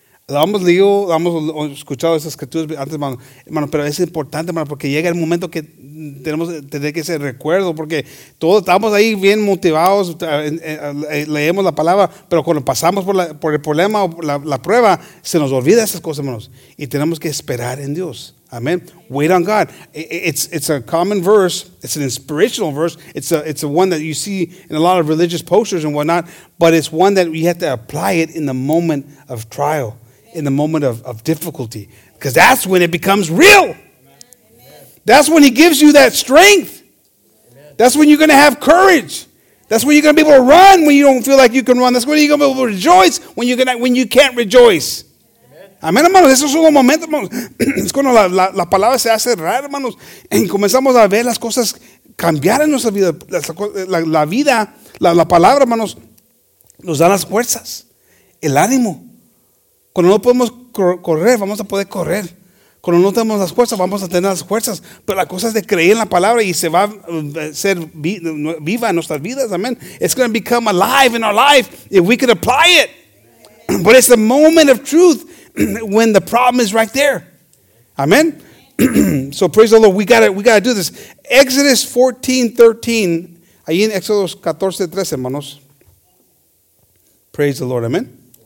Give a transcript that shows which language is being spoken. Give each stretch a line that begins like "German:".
Spanish: Lo hemos leído, lo hemos escuchado esas escrituras antes, hermano, pero es importante, hermano, porque llega el momento que tenemos que tener ese recuerdo, porque todos estamos ahí bien motivados, leemos la palabra, pero cuando pasamos por el problema o la prueba, se nos olvida esas cosas, hermanos, y tenemos que esperar en Dios.
English: Amen. Wait on God. It's a common verse. It's an inspirational verse. It's a one that you see in a lot of religious posters and whatnot, but it's one that we have to apply it in the moment of trial, in the moment of difficulty, because that's when it becomes real. Amen. That's when he gives you that strength. Amen. That's when you're going to have courage. That's when you're going to be able to run when you don't feel like you can run. That's when you're going to be able to rejoice when you can't rejoice.
Spanish: Amén, hermanos, esos son los momentos, hermanos. Es cuando la palabra se hace rara, hermanos, y comenzamos a ver las cosas cambiar en nuestra vida. La palabra, hermanos, nos da las fuerzas, el ánimo. Cuando no podemos correr, vamos a poder correr. Cuando no tenemos las fuerzas, vamos a tener las fuerzas. Pero la cosa es de creer en la palabra y se va a ser viva en nuestras vidas. Amén.
English: It's going to become alive in our life if we can apply it. But it's the moment of truth when the problem is right there. Amen. So praise the Lord. We gotta do this. Exodus 14:13.
Spanish: Ahí en Exodus 14:13, hermanos.
English: Praise the Lord. Amen.